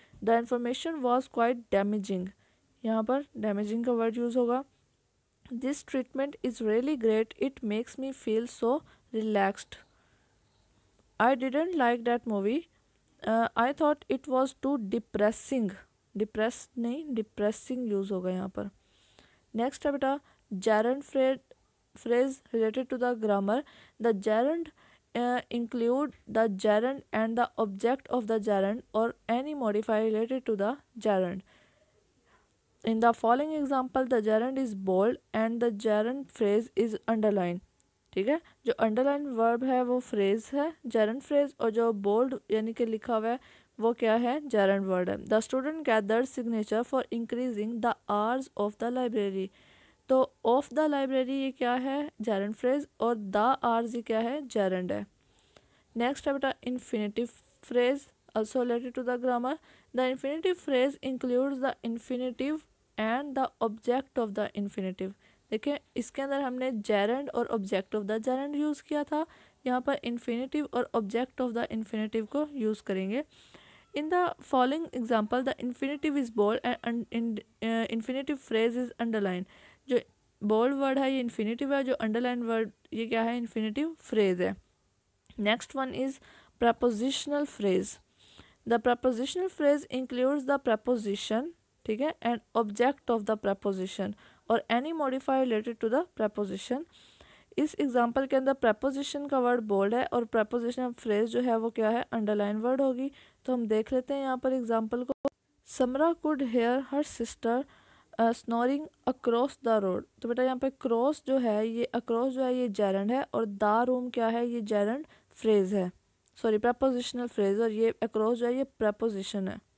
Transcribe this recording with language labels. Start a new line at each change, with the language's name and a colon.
English: the information was quite damaging,
Urdu: یہاں پر damaging کا word use ہوگا.
English: this treatment is really great, it makes me feel so relaxed, I didn't like that movie, I thought it was too depressing,
Urdu: depress نہیں depressing use ہوگا یہاں پر.
English: next
Urdu: ہے بیٹا
English: Gerund phrase related to the grammar, the gerund include the gerund and the object of the gerund اور any modifier related to the gerund. In the following example the gerund is bold and the gerund phrase is underline,
Urdu: ٹھیک ہے, جو under line ورب ہے وہ freeze ہے جیرنڈ freeze, اور جو بولڈ یعنی کہ لکھا ہوا ہے وہ کیا ہے جیرنڈ ورڈ ہے.
English: the student gather signature for increasing the hours of the library,
Urdu: تو آف دا لائبریری یہ کیا ہے جیرنڈ فریز, اور دا آرز یہ کیا ہے جیرنڈ ہے.
English: next
Urdu: ہے بیٹا
English: Infinitive phrase also related to the grammar, the infinitive phrase includes the infinitive and the object of the infinitive.
Urdu: دیکھیں اس کے اندر ہم نے جیرنڈ اور آبجیکٹ آف دا جیرنڈ یوز کیا تھا, یہاں پر انفینیٹیو اور آبجیکٹ آف دا انفینیٹیو کو یوز کریں گے.
English: in the following example the infinitive is bold and infinitive phrase is underline,
Urdu: جو بولڈ ورڈ ہے یہ انفینیٹیو ہے, جو انڈر لائن ورڈ یہ کیا ہے انفینیٹیو فریز ہے.
English: next one is prepositional phrase, the prepositional phrase includes the preposition,
Urdu: ٹھیک ہے,
English: And object of the preposition اور any modifier related to the preposition.
Urdu: اس example کے اندر پریپوزیشن کا ورڈ بولڈ ہے اور پریپوزیشن آف فریز جو ہے وہ کیا ہے انڈر لائن ورڈ ہوگی. تو ہم دیکھ لیتے ہیں یہاں پر ایگزامپل کو.
English: Samra could hear her sister snoring across the road,
Urdu: تو بیٹا یہاں پہ کروس جو ہے یہ اکروس جو ہے یہ جیرنڈ ہے اور دا روم کیا ہے یہ جیرنڈ فریز ہے, سوری پریپوزیشنل فریز, اور یہ اکروس جو ہے یہ پریپوزیشن ہے.